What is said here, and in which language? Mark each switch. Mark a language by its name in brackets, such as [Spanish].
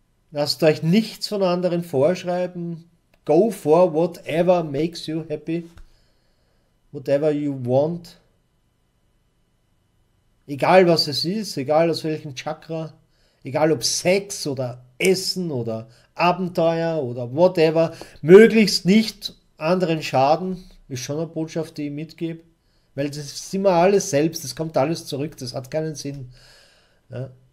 [German] Lasst euch nichts von anderen vorschreiben. [English] Go for whatever makes you happy. Whatever you want. [German] Egal was es ist, egal aus welchem Chakra, egal ob Sex oder Essen oder Abenteuer oder whatever, möglichst nicht anderen schaden, ist schon eine Botschaft, die ich mitgebe. Weil das ist immer alles selbst, das kommt alles zurück, das hat keinen Sinn. Ja.